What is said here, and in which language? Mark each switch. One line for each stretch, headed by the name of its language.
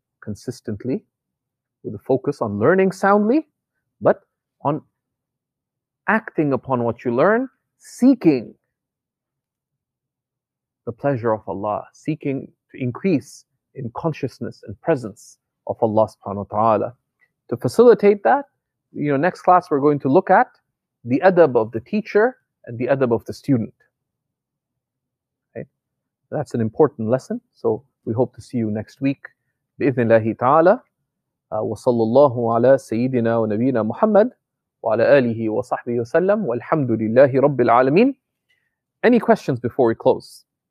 English: consistently with a focus on learning soundly, but on acting upon what you learn, seeking the pleasure of Allah, seeking to increase in consciousness and presence of Allah subhanahu wa ta'ala. To facilitate that, you know, next class we're going to look at the adab of the teacher and the adab of the student. Okay? That's an important lesson. So we hope to see you next week.
Arabic: بإذن الله تعالى وصلى الله على سيدنا ونبينا محمد وعلى آله وصحبه وسلم والحمد لله رب العالمين.
English: Any questions before we close?